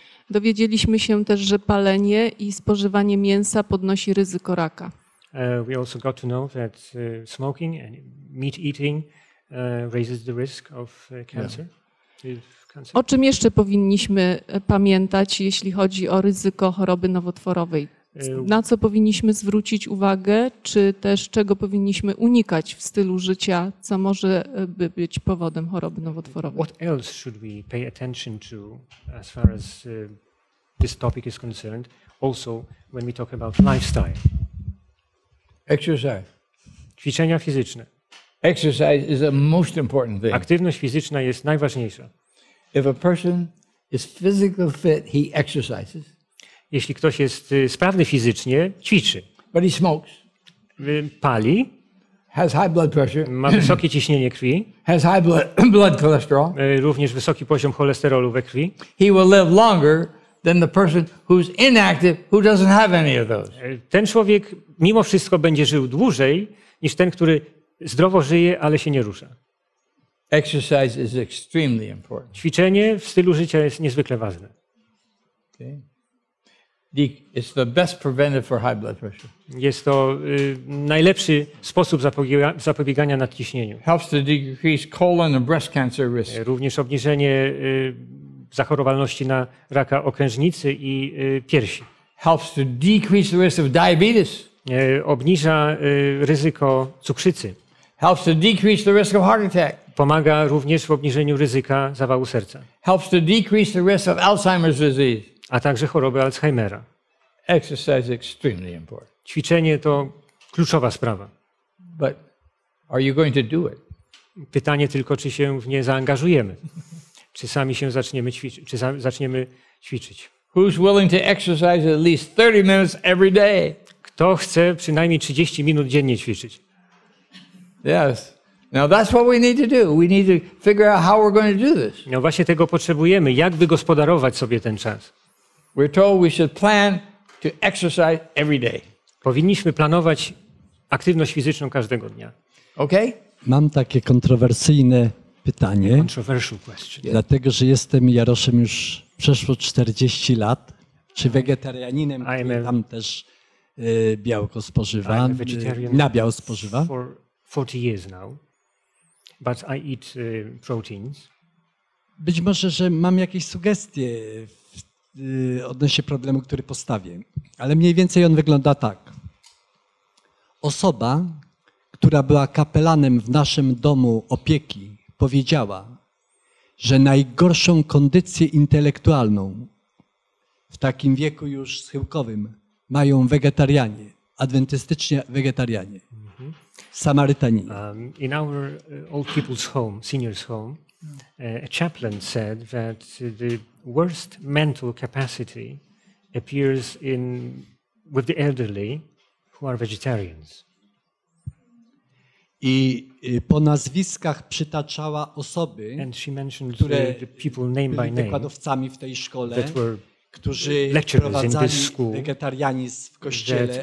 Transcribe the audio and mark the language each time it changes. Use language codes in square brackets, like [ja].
[pl] Dowiedzieliśmy się też, że palenie i spożywanie mięsa podnosi ryzyko raka. [en] We also got to know that smoking and meat eating raises the risk of cancer. Yeah. [pl] O czym jeszcze powinniśmy pamiętać, jeśli chodzi o ryzyko choroby nowotworowej? Na co powinniśmy zwrócić uwagę, czy też czego powinniśmy unikać w stylu życia, co może by być powodem choroby nowotworowej? [en] What else should we pay attention to as far as this topic is concerned, also when we talk about lifestyle? Exercise. [pl] Ćwiczenia fizyczne. [en] Exercise is the most important thing. [pl] Aktywność fizyczna jest najważniejsza. [en] If a person is physically fit, he exercises. [pl] Jeśli ktoś jest sprawny fizycznie, ćwiczy. [en] But he smokes. [pl] Pali. [en] Has high blood pressure. [pl] Ma wysokie ciśnienie krwi. [en] Has high blood cholesterol. [pl] Również wysoki poziom cholesterolu we krwi. [en] He will live longer than the person who's inactive, who doesn't have any of those. [pl] Ten człowiek mimo wszystko będzie żył dłużej niż ten, który zdrowo żyje, ale się nie rusza. [en] Exercise is extremely important. [pl] Ćwiczenie w stylu życia jest niezwykle ważne. [en] Okay. It's the best preventive for high blood pressure. [pl] Jest to najlepszy sposób zapobiegania nadciśnieniu. [en] Helps to decrease colon and breast cancer risk. [pl] Również obniżenie zachorowalności na raka okrężnicy i piersi. [en] Helps to decrease the risk of diabetes. [pl] Obniża ryzyko cukrzycy. [en] Helps to decrease the risk of heart attack. [pl] Pomaga również w obniżeniu ryzyka zawału serca. [en] Helps to decrease the risk of Alzheimer's disease. [pl] A także choroby Alzheimera. [en] Exercise is extremely important. [pl] Ćwiczenie to kluczowa sprawa. [en] But are you going to do it? [pl] Pytanie tylko, czy się w nie zaangażujemy. Czy sami się zaczniemy ćwiczyć, czy zaczniemy ćwiczyć. [en] Who's willing to exercise at least 30 minutes every day? [pl] Kto chce przynajmniej 30 minut dziennie ćwiczyć? [en] Yes. Now that's what we need to do. We need to figure out how we're going to do this. [pl] No właśnie tego potrzebujemy, jak wygospodarować sobie ten czas. [en] We're told we should plan to exercise every day. [pl] Powinniśmy planować aktywność fizyczną każdego dnia. [en] Okay? [pl] Mam takie kontrowersyjne pytanie. [en] Controversial question. [pl] Dlatego, że jestem Jaroszem już przeszło 40 lat, czy wegetarianinem, tam też białko spożywa, nabiał spożywa. [en] 40 years now, but I eat proteins. [pl] Być może, że mam jakieś sugestie odnośnie problemu, który postawię, ale mniej więcej on wygląda tak. Osoba, która była kapelanem w naszym domu opieki, powiedziała, że najgorszą kondycję intelektualną w takim wieku już schyłkowym mają wegetarianie, adwentystycznie wegetarianie. Samarytanin. [en] In our old people's home, seniors' home, a chaplain said that the worst mental capacity appears in with the elderly who are vegetarians. [pl] I po nazwiskach przytaczała osoby, które byli wykładowcami w tej szkole, którzy prowadzali wegetarianizm w kościele